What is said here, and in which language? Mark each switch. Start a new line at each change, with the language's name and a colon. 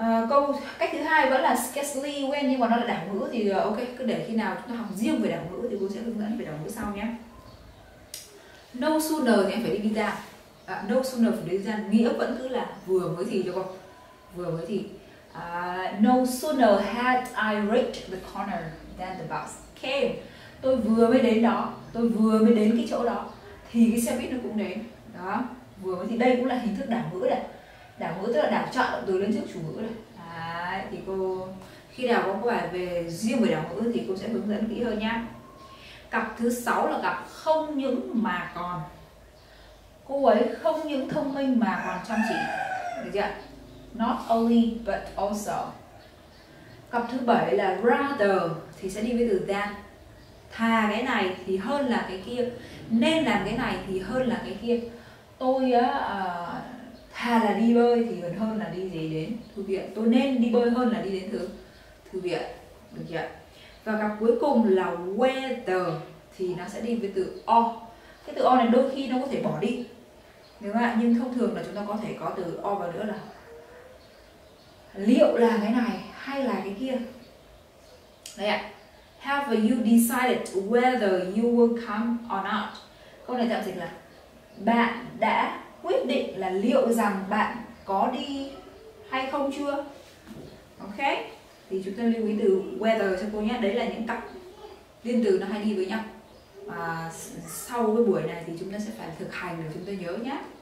Vietnamese: Câu cách thứ hai vẫn là
English: scarcely when,
Vietnamese: nhưng mà nó là đảo ngữ thì ok, cứ để khi nào chúng ta học riêng về đảo ngữ thì cô sẽ hướng dẫn về đảo ngữ sau nhé. No sooner thì em phải đi visa. No sooner phải đi visa nghĩa vẫn cứ là vừa mới thì cho con. Vừa mới thì
English: no sooner had I reached the corner than the bus came.
Vietnamese: Tôi vừa mới đến đó, tôi vừa mới đến cái chỗ đó thì cái xe buýt nó cũng đến. Đó, vừa mới thì đây cũng là hình thức đảo ngữ đấy. Đảo ngữ tức là đảo chọn từ lên trước chủ ngữ đấy. Thì cô khi nào có bài về riêng về đảo ngữ thì cô sẽ hướng dẫn kỹ hơn nhá. Cặp thứ 6 là cặp không những mà còn. Cô ấy không những thông minh mà còn chăm chỉ. Được chưa?
English: Not only but also.
Vietnamese: Cặp thứ 7 là rather thì sẽ đi với từ than. Thà cái này thì hơn là cái kia. Nên làm cái này thì hơn là cái kia. Tôi thà là đi bơi thì còn hơn là đi gì đến thư viện. Tôi nên đi bơi hơn là đi đến thư viện. Được chưa? Và cặp cuối cùng là whether thì nó sẽ đi với từ or. Cái từ or này đôi khi nó có thể bỏ đi. Đúng không ạ? Nhưng thông thường là chúng ta có thể có từ or vào nữa là liệu là cái này hay là cái kia. Đây ạ.
English: Have you decided whether you will come or not?
Vietnamese: Câu này tạm dịch là bạn đã quyết định là liệu rằng bạn có đi hay không chưa? Ok. Thì chúng ta lưu ý từ whether cho cô nhé. Đấy là những cặp liên từ nó hay đi với nhau. Và sau cái buổi này thì chúng ta sẽ phải thực hành để chúng ta nhớ nhé.